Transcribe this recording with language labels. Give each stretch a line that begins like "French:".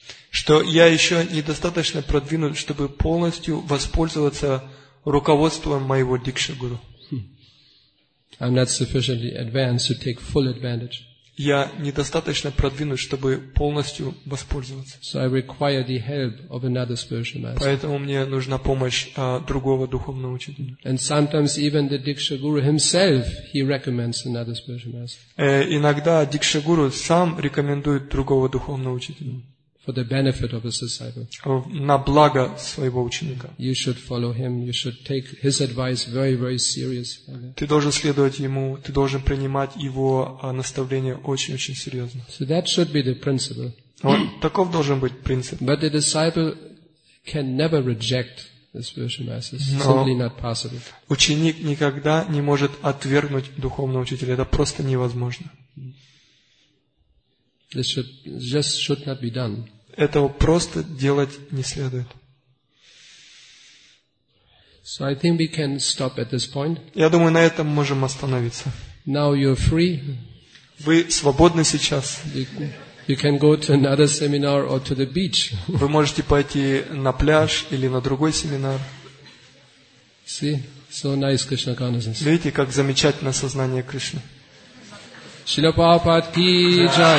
Russian: Что я еще недостаточно продвинут, чтобы полностью воспользоваться руководством моего Дикша Гуру.
English: I'm not sufficiently advanced to take full advantage.
Russian: Я недостаточно продвинут, чтобы полностью воспользоваться.
English: So I require the help of another spiritual master.
Russian: Поэтому мне нужна помощь другого духовного учителя.
English: And sometimes even the Diksha Guru himself, he recommends another spiritual master.
Russian: Иногда Дикша Гуру сам рекомендует другого духовного учителя.
English: For the benefit of his disciple.
Russian: На благо своего ученика.
English: You should follow him. You should take his advice very, very seriously.
Russian: Ты должен следовать ему. Ты должен принимать его наставления очень-очень серьезно.
English: So that should be the principle.
Russian: Вот, таков должен быть принцип.
English: But the disciple can never reject the spiritual master. Simply not possible.
Russian: Ученик никогда не может отвергнуть духовного учителя. Это просто невозможно.
English: This should just should not be done.
Russian: Этого просто делать не следует.
English: So I think we can stop at this point.
Russian: Я думаю, на этом можем остановиться.
English: Now you're free.
Russian: Вы свободны сейчас.
English: You can go to another seminar or to the beach.
Russian: Вы можете пойти на пляж или на другой семинар.
English: See, so nice Krishna consciousness.
Russian: Видите, как замечательно сознание Кришны. Шрила Прабхупад ки джай.